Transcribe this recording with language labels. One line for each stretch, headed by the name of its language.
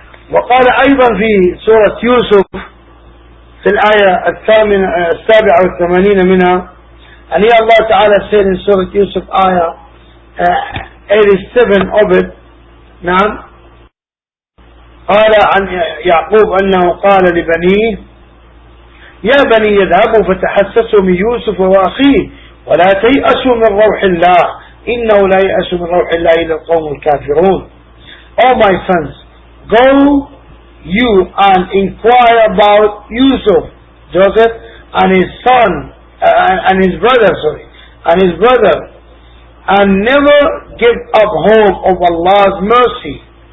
Arabic: وقال أيضا في سورة يوسف في الآية السابعة والثمانين منها,
English: and here Allah
Arabic: تعالى
English: said in
Arabic: سورة يوسف آية 87
English: of it,
Arabic: نعم, قال عن يعقوب أنه قال لبنيه: يا بني اذهبوا فتحسسوا من يوسف وأخيه ولا تيأسوا من روح الله إنه لا يأس من روح الله إلا القوم الكافرون.
English: Oh my sons, go you and inquire about Yusuf, Joseph, and his son, and his brother, sorry, and his brother, and never give up hope of Allah's mercy.